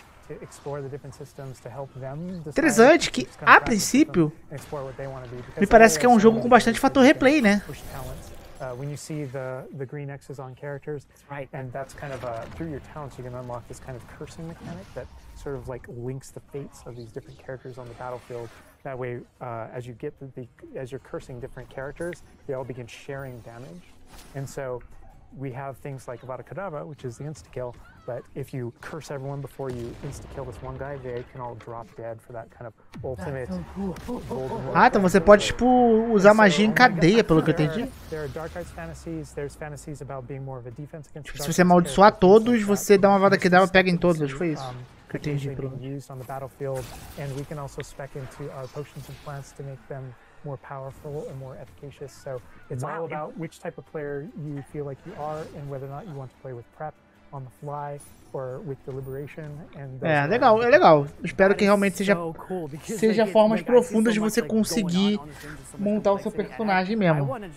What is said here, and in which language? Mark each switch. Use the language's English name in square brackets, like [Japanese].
[Portuguese] Interessante que, a princípio, me parece que é um jogo com bastante fator replay, né? [English] When you see the green X's on characters, right, and that's kind of through your talents you can unlock this kind of cursing mechanic that sort of like links the fates of these different characters on the battlefield. That way, as you get as you're cursing different characters, they all begin sharing damage, and so we have things like Avada Kedavra, which is the insta kill. But if you curse everyone before you insta kill this one guy, they can all drop dead for that kind of ultimate. [Portuguese] Então você pode tipo usar magia em cadeia, pelo que eu entendi. [English] There are dark arts fantasies, there's fantasies about being more of a defense against. [Portuguese] Se você amaldiçoar todos, você dá uma vada que dá, pega em todos, foi isso. [English] potentially being used on the battlefield, and we can also spec into our potions and plants to make them more powerful and more efficacious. So it's all about which type of player you feel like you are and whether or not you want to play with prep on the fly or with deliberation. And [Portuguese] é legal, é legal. Espero que realmente seja formas profundas de você conseguir montar o seu personagem mesmo.